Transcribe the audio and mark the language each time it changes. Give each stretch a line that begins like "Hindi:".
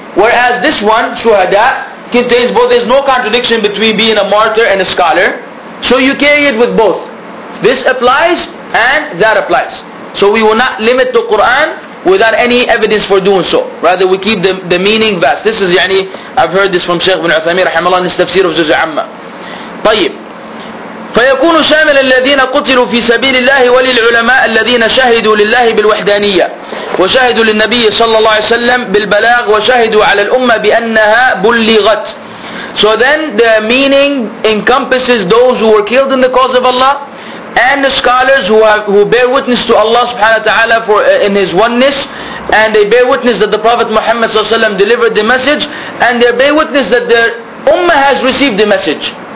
English: Whereas this one, shuhada, contains both. There's no contradiction between being a martyr and a scholar, so you carry it with both. This applies and that applies. So we will not limit the Quran without any evidence for doing so. Rather, we keep the meaning vast. This is I've heard this from Shaykh bin Uthaymeen rahimahullah in his tafsir of Juz al-Amma. طيب.
Arabic: فيكون شامل الذين قتلوا في سبيل الله وللعلماء الذين شهدوا لله بالوحدانية وشهدوا للنبي صلى الله عليه وسلم بالبلاغ وشهدوا على الأمة بأنها بلغت.
English: So then the meaning encompasses those who were killed in the cause of Allah and the scholars who bear witness to Allah subhanahu wa ta'ala in His oneness, and they bear witness that the Prophet Muhammad sallallahu alaihi wasallam delivered the message, and they bear witness that their ummah has received the message.